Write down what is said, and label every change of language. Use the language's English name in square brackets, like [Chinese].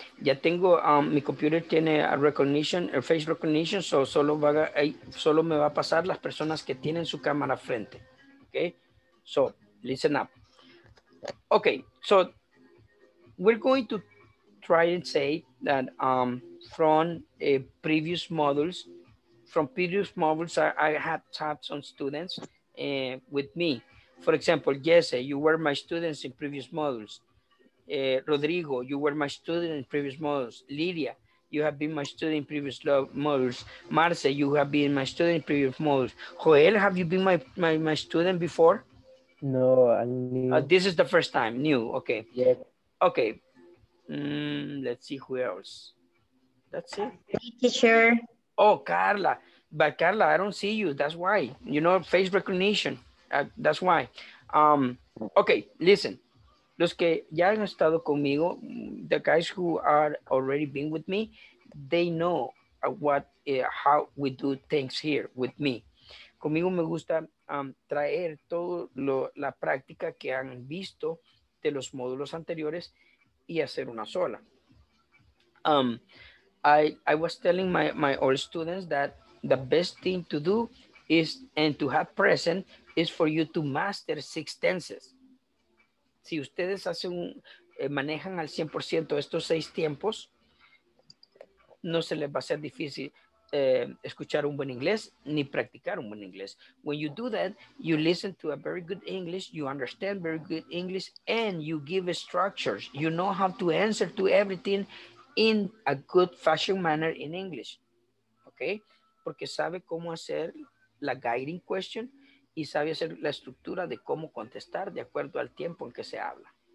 [Spanish] Ya tengo, mi computer tiene a recognition, [English] a face recognition, [Spanish] so solo me va a pasar las personas que tienen su cámara frente. [English] Okay? So, listen up. Okay. So, we're going to try and say that from previous modules, I had taught some students with me. For example, Jesse, you were my students in previous modules. Rodrigo, you were my student in previous modules. Lydia, you have been my student in previous modules. Marce, you have been my student in previous modules. Joel, have you been my student before? No, I'm new. This is the first time, new, okay. Yeah. Okay, let's see who else. That's it. Teacher. Oh, Carla. But Carla, I don't see you, that's why. You know, face recognition. That's why. Okay, listen. [Spanish] Los que ya han estado conmigo, [English] the guys who are already been with me, they know how we do things here with me. [Spanish] Conmigo me gusta traer todo la práctica que han visto de los módulos anteriores y hacer una sola. [English] I was telling my old students that the best thing to do is and to have present is for you to master six tenses. [Spanish] Si ustedes manejan al 100% estos seis tiempos, no se les va a ser difícil escuchar un buen inglés ni practicar un buen inglés. [English] When you do that, you listen to a very good English, you understand very good English, and you give structures. You know how to answer to everything in a good fashion manner in English. Okay? [Spanish] Porque sabe cómo hacer la guiding question y sabe hacer la estructura de cómo contestar de acuerdo al tiempo en que se habla.